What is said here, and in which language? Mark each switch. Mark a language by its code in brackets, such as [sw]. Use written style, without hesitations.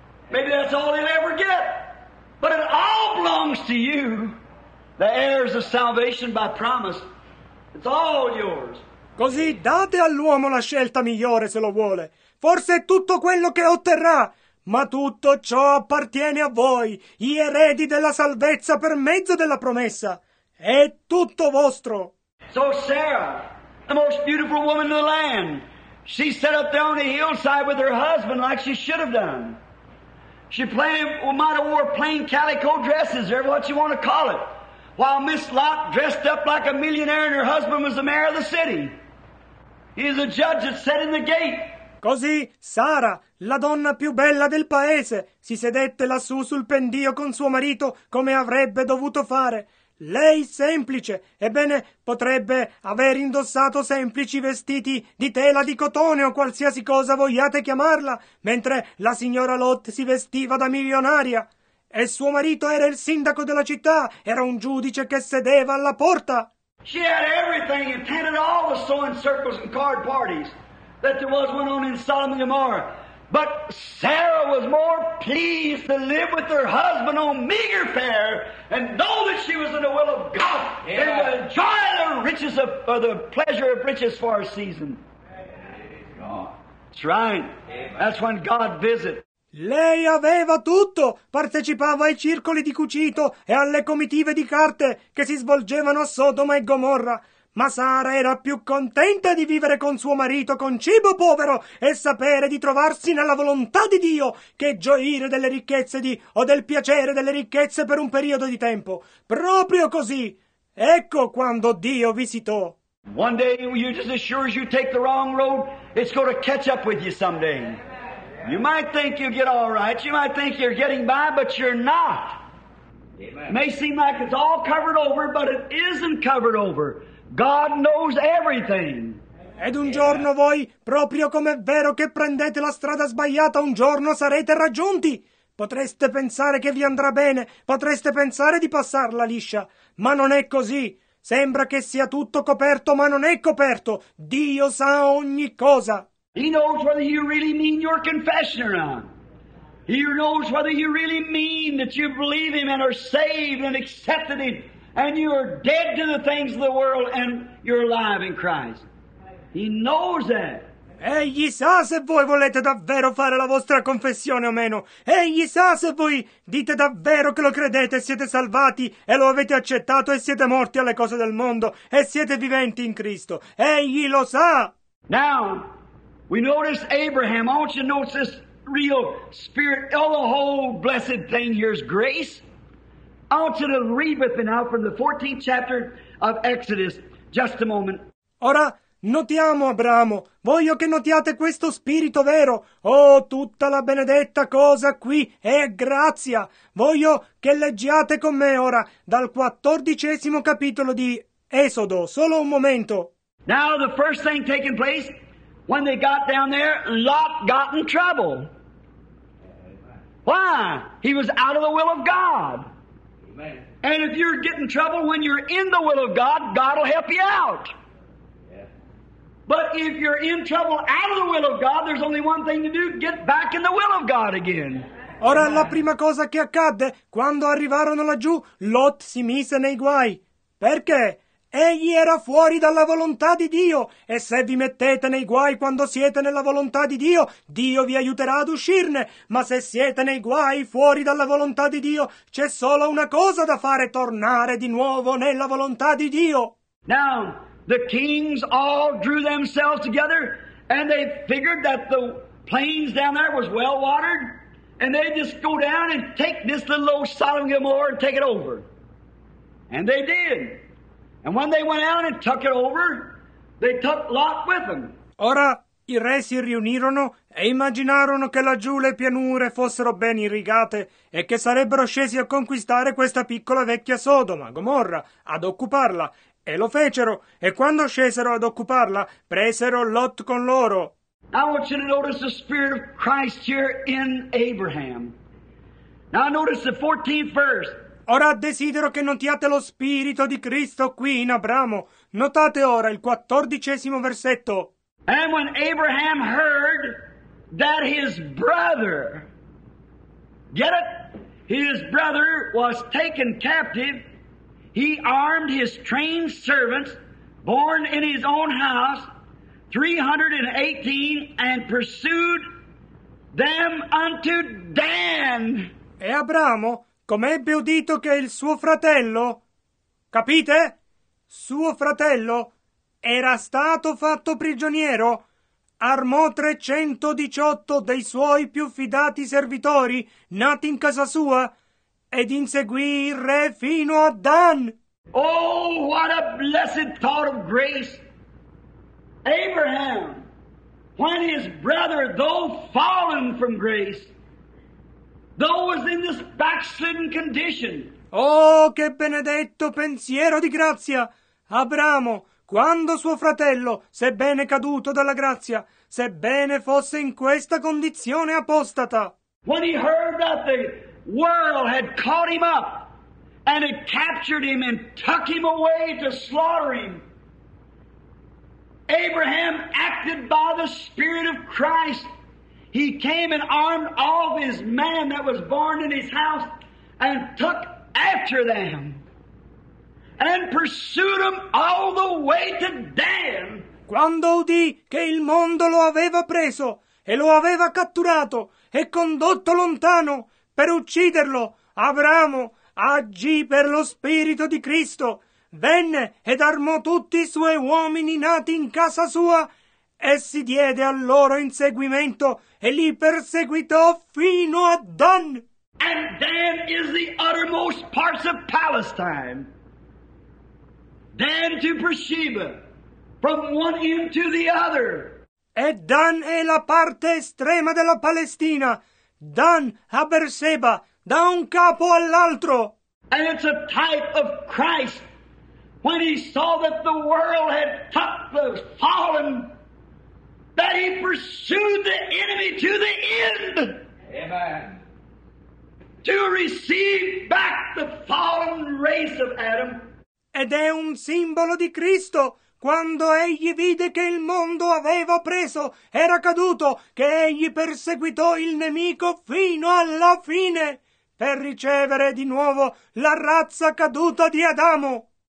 [en] Maybe that's all he'll ever get. But it all belongs to you, the heirs of salvation by promise. It's all yours. [it] Così date all'uomo la scelta migliore se lo vuole. Forse è tutto quello che otterrà, ma tutto ciò appartiene a voi, gli eredi della salvezza per mezzo della promessa. È tutto vostro. [en] So Sarah, the most beautiful woman in the land, she sat up there on the hillside with her husband like she should have done. She might have wore plain calico dresses, or what you want to call it, while Miss Lot dressed up like a millionaire and her husband was the mayor of the city. He is a judge that sat in the gate. [it] Così Sara, la donna più bella del paese, si sedette lassù sul pendio con suo marito come avrebbe dovuto fare. Lei semplice, ebbene, potrebbe aver indossato semplici vestiti di tela di cotone o qualsiasi cosa vogliate chiamarla, mentre la signora Lot si vestiva da milionaria. E suo marito era il sindaco della città, era un giudice che sedeva alla porta. [en] She had everything, attended all the sewing circles and card parties that there was one on in Sodom and Gomorrah. But Sarah was more pleased to live with her husband on meager fare and know that she was in the will of God than to enjoy the riches of, or the pleasure of riches for a season. That's right. That's when God visits. [it] Lei aveva tutto, partecipava ai circoli di cucito e alle comitive di carte che si svolgevano a Sodoma e Gomorra. Ma Sara era più contenta di vivere con suo marito con cibo povero e sapere di trovarsi nella volontà di Dio che gioire delle ricchezze di o del piacere delle ricchezze per un periodo di tempo. Proprio così. Ecco quando Dio visitò. [en] One day you just as sure as you take the wrong road, it's going to catch up with you someday. You might think you get all right, you might think you're getting by, but you're not. It may seem like it's all covered over, but it isn't covered over. God knows everything. [it] Ed un giorno voi, proprio come è vero che prendete la strada sbagliata, un giorno sarete raggiunti. Potreste pensare che vi andrà bene, potreste pensare di passarla liscia, ma non è così. Sembra che sia tutto coperto, ma non è coperto. Dio sa ogni cosa. [en] He knows whether you really mean your confession or not. He knows whether you really mean that you believe Him and are saved and accepted Him. And you are dead to the things of the world and you're alive in Christ. He knows that. [it] Egli sa se voi volete davvero fare la vostra confessione o meno. Egli sa se voi dite davvero che lo credete, siete salvati e lo avete accettato e siete morti alle cose del mondo e siete viventi in Cristo. Egli lo sa. [en] Now, we notice Abraham. I want you to notice this real spirit. Oh, the whole blessed thing here is grace. I want you to read with me now from the 14th chapter of Exodus. Just a moment. [it] Ora, notiamo Abramo. Voglio che notiate questo spirito vero. Oh, tutta la benedetta cosa qui è grazia. Voglio che leggiate con me ora dal 14° capitolo di Esodo. Solo un momento. [en] Now the first thing taking place, when they got down there, Lot got in trouble. Why? He was out of the will of God. And if you're getting trouble when you're in the will of God, God will help you out. But if you're in trouble out of the will of God, there's only one thing to do, get back in the will of God again. [it] Ora, la prima cosa che accadde, quando arrivarono laggiù, Lot si mise nei guai. Perché? Egli era fuori dalla volontà di Dio. E se vi mettete nei guai quando siete nella volontà di Dio, Dio vi aiuterà ad uscirne. Ma se siete nei guai fuori dalla volontà di Dio, c'è solo una cosa da fare, tornare di nuovo nella volontà di Dio. [en] Now, the kings all drew themselves together and they figured that the plains down there was well watered and they just go down and take this little old Sodom and Gomorrah and take it over. And they did. And when they went out and took it over, they took Lot with them. [it] Ora i re si riunirono e immaginarono che laggiù le pianure fossero ben irrigate e che sarebbero scesi a conquistare questa piccola vecchia Sodoma, Gomorra, ad occuparla. E lo fecero, e quando scesero ad occuparla, presero Lot con loro. [en] Now I want you to notice the Spirit of Christ here in Abraham. Now notice the 14th verse. [it] Ora desidero che notiate lo Spirito di Cristo qui in Abramo. Notate ora il 14° versetto. [en] And when Abraham heard that his brother, get it? His brother was taken captive, he armed his trained servants, born in his own house, 318, and pursued them unto Dan. [it] E Abramo, com'ebbe udito che il suo fratello, capite? Suo fratello era stato fatto prigioniero, armò 318 dei suoi più fidati servitori, nati in casa sua, ed inseguì il re fino a Dan. [en] Oh, what a blessed thought of grace! Abraham, when his brother, though fallen from grace, though was in this backslidden condition. [it] Oh, che benedetto pensiero di grazia! Abramo, quando suo fratello, sebbene caduto dalla grazia, sebbene fosse in questa condizione apostata. [en] When he heard that the world had caught him up and had captured him and took him away to slaughter him, Abraham acted by the Spirit of Christ. He came and armed all his man that was born in his house and took after them and pursued them all the way to Dan. [it] Quando udì che il mondo lo aveva preso e lo aveva catturato e condotto lontano per ucciderlo, Abramo agì per lo spirito di Cristo, venne ed armò tutti i suoi uomini nati in casa sua e si diede al loro inseguimento e li perseguitò fino a Dan. [en] And Dan is the uttermost parts of Palestine. Dan to Beersheba, from one end to the other. [it] E Dan è la parte estrema della Palestina. Dan a Beersheba, da un capo all'altro. [en] And it's a type of Christ when he saw that the world had tucked the fallen, that he pursued the enemy to the end. Amen. To receive back the fallen race of Adam. [it] Ed è un simbolo di Cristo quando egli vide che il mondo aveva preso, era caduto, che egli perseguitò il nemico fino alla fine per ricevere di nuovo la razza caduta di Adamo.